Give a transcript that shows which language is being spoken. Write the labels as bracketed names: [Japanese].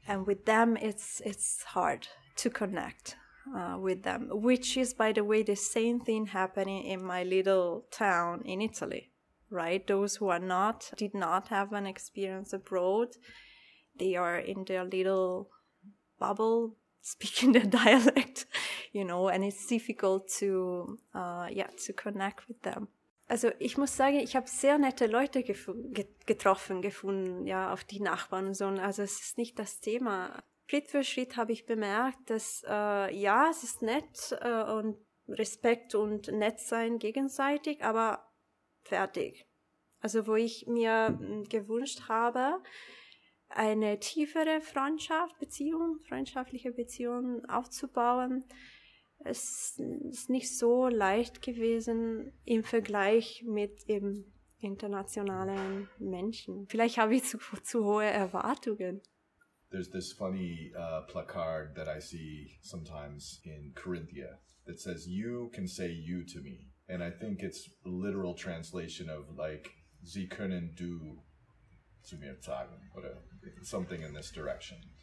[English] And with them, it's hard to connect with them, which is, by the way, the same thing happening in my little town in Italy, right? Those who did not have an experience abroad, they are in their little bubble, speaking the dialect, you know, and it's difficult to connect with them. [German] Also, ich muss sagen, ich habe sehr nette Leute gefunden, ja, auf die Nachbarn und so. Also, es ist nicht das Thema. Schritt für Schritt habe ich bemerkt, dass, es ist nett und Respekt und nett sein gegenseitig, aber fertig. Also, wo ich mir gewünscht habe, eine tiefere freundschaftliche Beziehung aufzubauen. Es ist nicht so leicht gewesen im Vergleich mit eben internationalen Menschen. Vielleicht habe ich zu hohe Erwartungen. [English] There's this funny placard that I see sometimes in Carinthia that says, you can say you to me. And I think it's a literal translation of like, [German] sie können du zu mir sagen, oder [English] something in this direction.